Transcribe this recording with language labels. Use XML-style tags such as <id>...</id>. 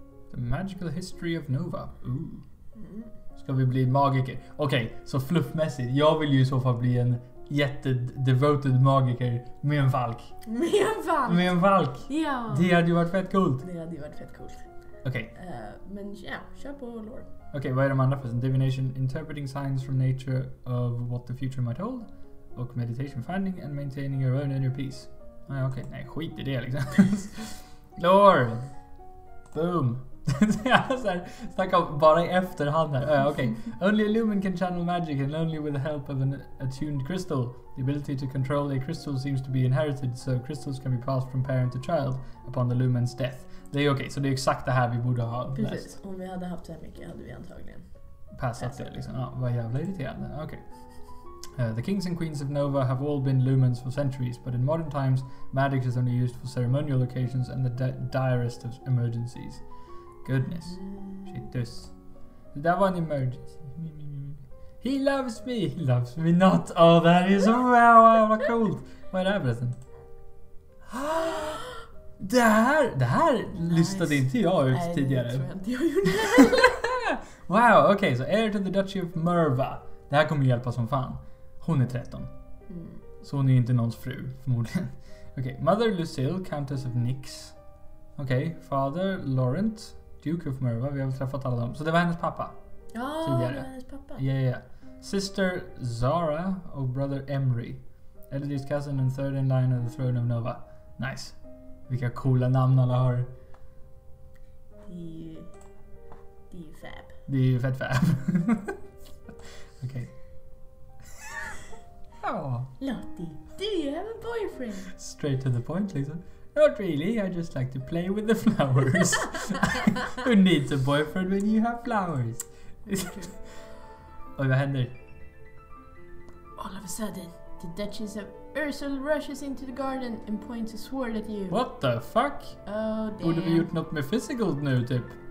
<en>The magical history of Nova. Ooh.</en> <sv>Ska vi bli magiker? Okej, okay, så fluffmässigt. Jag vill ju i så fall bli en jättedevoted magiker med en valk. Med en valk? Med en valk. Ja. Det hade ju varit fett coolt. Det hade ju varit fett coolt. Okej. Men ja, kör på lore. Okej, okay, vad är de andra först?</sv> <en>Divination, interpreting signs from nature of what the future might hold.</en> <sv>Och</sv> <en>meditation, finding and maintaining your own inner peace.</en> <sv>Okej, okay. Nej, skit i det liksom. Lore. Boom. Så här, snacka bara i efterhand här.</sv> <en>Okay. Only a lumen can channel magic and only with the help of an attuned crystal. The ability to control a crystal seems to be inherited, so crystals can be passed from parent to child upon the lumen's death.</en> <sv>Det är okej, okay, så det är exakt det här vi borde ha. Precis, läst. Om vi hade haft så mycket hade vi antagligen passat det liksom. Ah, vad jävla irriterande. Okay.</sv> <en>The kings and queens of Nova have all been lumens for centuries, but in modern times magic is only used for ceremonial occasions and the direst of emergencies. Goodness. Shit, this. That one emerges. He loves me. He loves me not. Oh, that is wow, wow, wow, cool. What happened?</en> <sv>Det här nice. Listade inte jag ut tidigare. Nej, det tror jag inte jag gjorde heller.</sv> <en>Wow, okej. Okay, så heir to the Duchy of Merva.</en> <sv>Det här kommer hjälpa som fan. Hon är 13. Mm. Så hon är inte någons fru, förmodligen.</sv> <en>Okej, okay, Mother Lucille, Countess of Nix. Okej, okay, Father Laurent.</en> <sv>Duke of Merva, vi har väl träffat alla dem. Så det var hennes pappa. Ja, tidigare. Det var hennes pappa.</sv> <en>Yeah, yeah.</en> <sv>Sister Zara och brother Emery.</sv> <en>Eldest cousin and third in line of the throne of Nova.</en> <sv>Nice. Vilka coola namn alla har. Det är ju fab. Det är ju fett fab. Okej. Okay. Oh.</sv> <en>Lottie, do you have a boyfriend? Straight to the point</en> <sv>liksom.</sv> <en>Not really, I just like to play with the flowers. Who needs a boyfriend when you have flowers?</en> <sv>Oj, vad händer?</sv> <en>All of a sudden, the Duchess of Ursel rushes into the garden and points a sword at you. What the fuck? Oh, damn.</en> <sv>Borde vi gjort något med physical nu, typ?</sv>